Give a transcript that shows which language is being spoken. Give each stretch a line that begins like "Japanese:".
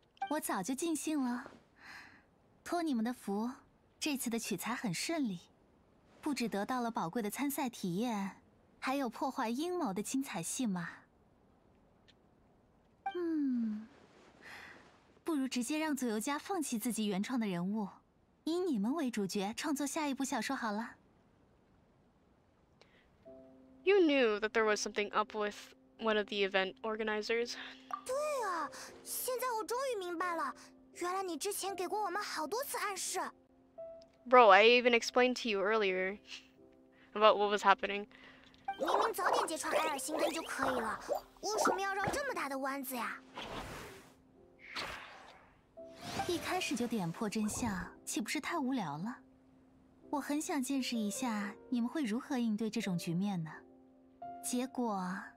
Chinese: 我早就尽兴了，托你们的福，这次的取材很顺利，不止得到了宝贵的参赛体验，还有破坏阴谋的精彩戏码。嗯，不如直接让左右家放弃自己原创的人物，以你们为主角创作下一部小说好了。
English: You knew that there was something up withOne of the event organizers.
Chinese: 对啊，现在我终于明白了，原来你之前给过我们好多次暗示。
English: Bro, I even explained to you earlier about what was happening.
Chinese: 明明早点揭穿埃尔辛根就可以了，为什么要绕这么大的弯子呀？一开始就点破真相，岂不是太无聊了？我很想见识一下你们会如何应对这种局面呢？结果。